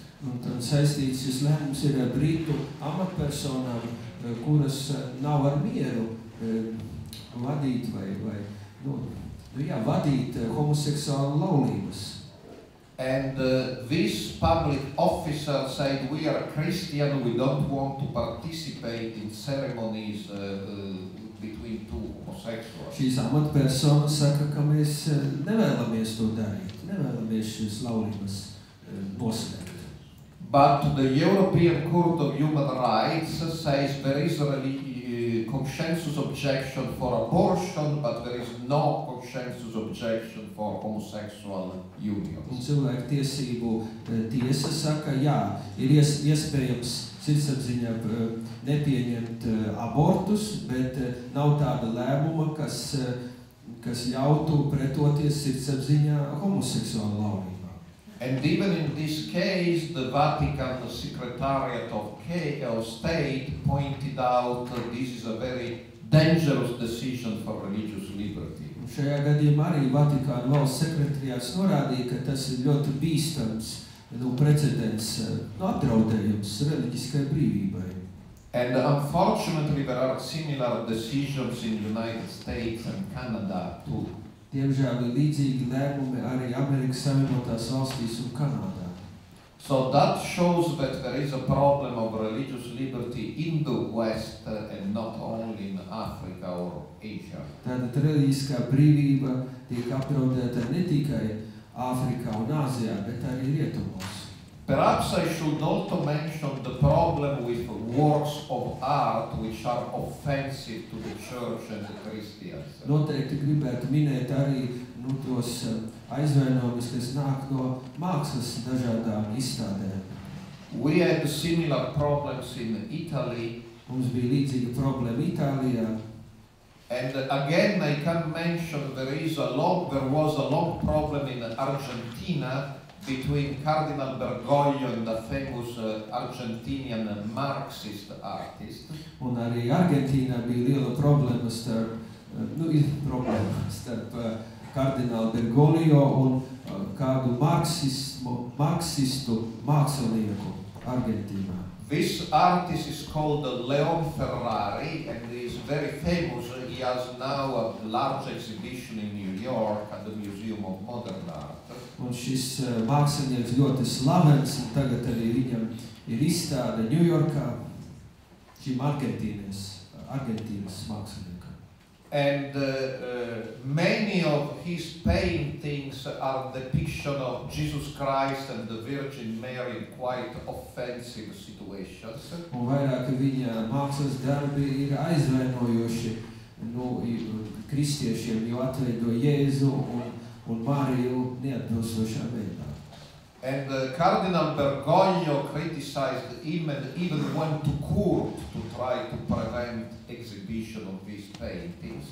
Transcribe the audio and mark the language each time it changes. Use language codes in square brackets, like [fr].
[lv] Un tad saistīts šis lēmums ir brītu amatpersonām, kuras nav ar mieru vadīt vai nu, jā, vadīt homoseksuālu laulības. [en] And this public officer said, we are Christian, we don't want to participate in ceremonies between two homosexuals. [lv] Šīs amatpersonas saka, ka mēs nevēlamies to darīt, nevēlamies šīs laulības posmē. [en] But the European Court of Human Rights says there is a consensus objection for abortion, but there is no consensus objection for homosexual unions. [lv] Un cilvēku tiesību tiesa saka, jā, ir iespējams sirdsapziņā nepieņemt abortus, bet nav tāda lēmuma, kas ļautu pretoties sirdsapziņā homoseksuālu laulību. [en] And even in this case, the Vatican Secretariat of State pointed out that this is a very dangerous decision for religious liberty. [lv] Šajā gadījumā arī Vatikāna valsts sekretariāts norādīja, ka tas ir ļoti bīstams, nu, precedents, nu, apdraudējums reliģiskai brīvībai. [en] And unfortunately, there are similar decisions in the United States and Canada too. [lv] Diemžēl ir līdzīgi lēmumi arī Amerikas Savienotās valstīs un Kanādā. [en] So that shows that there is a problem of religious liberty in the West and not only in Africa or Asia. [lv] Tātad reliģiskā brīvība tiek apdraudēta ne tikai Āfrikā un Āzijā, bet arī Rietumos. [en] Perhaps I should also mention the problem with works of art which are offensive to the church and the Christians. [lv] Noteikti gribētu minēt arī, nu, tos aizvainojumus, kas nāk no mākslas dažādām izstādēm. [en] We had similar problems in Italy. [lv] Mums bija līdzīga problēma Itālijā. [en] And again I can mention there was a long problem in Argentina between Cardinal Bergoglio and the famous Argentinian Marxist artist. [lv] Un arī Argentīnā bija liela problēma starp, nu, problēma starp kardinālu Bergoglio un kādu marksistu mākslinieku Argentīnā. [en] This artist is called Leon Ferrari and he is very famous. He has now a large exhibition in New York at the Museum of Modern Art. [lv] Un šis mākslinieks ļoti slavens, un tagad arī viņam ir izstāde New Yorkā, šim Argentīnas mākslinieka. [en] And many of his paintings are depiction of Jesus Christ and the Virgin Mary in quite offensive situations. [lv] Un vairāk viņa mākslas darbi ir aizvainojoši no kristiešiem, jo atveido Jēzu un Mariju neatbilstošā veidā. [en] And Cardinal Bergoglio criticized him and even went to court to try to prevent exhibition of these paintings.